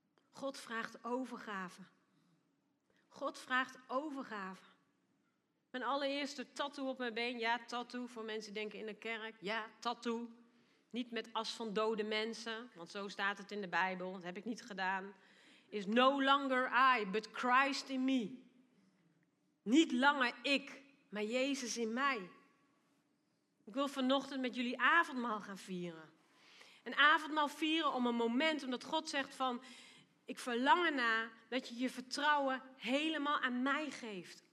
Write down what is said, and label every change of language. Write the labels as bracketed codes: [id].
[nl] God vraagt overgave. God vraagt overgave. Mijn allereerste tattoo op mijn been. Ja, tattoo voor mensen denken in de kerk. Ja, tattoo. Niet met as van dode mensen. Want zo staat het in de Bijbel. Dat heb ik niet gedaan. [en] Is no longer I, but Christ in me. [nl] Niet langer ik, maar Jezus in mij. Ik wil vanochtend met jullie avondmaal gaan vieren. Een avondmaal vieren om een moment, omdat God zegt van, ik verlang ernaar dat je je vertrouwen helemaal aan mij geeft.